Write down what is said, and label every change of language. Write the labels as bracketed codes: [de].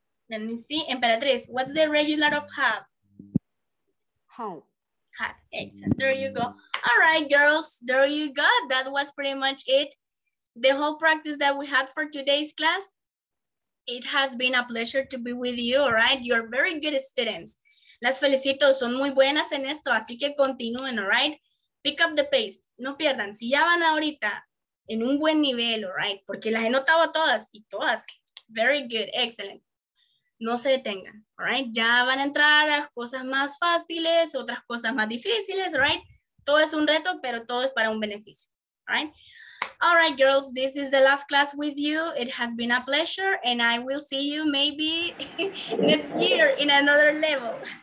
[en] Let me see, Emperatriz, what's the regular of have? Have. Have, excellent, there you go. All right, girls, there you go. That was pretty much it. The whole practice that we had for today's class, it has been a pleasure to be with you, all right? You're very good students. [es] Las felicito, son muy buenas en esto, así que continúen, all right? [en] Pick up the pace, [es] no pierdan. Si ya van ahorita en un buen nivel, all right? Porque las he notado todas y todas. [en] Very good, excellent. [es] No se detengan, all right? Ya van a entrar a cosas más fáciles, otras cosas más difíciles, all right? Todo es un reto, pero todo es para un beneficio, all right? [en] All right, girls, this is the last class with you. It has been a pleasure, and I will see you maybe next year in another level.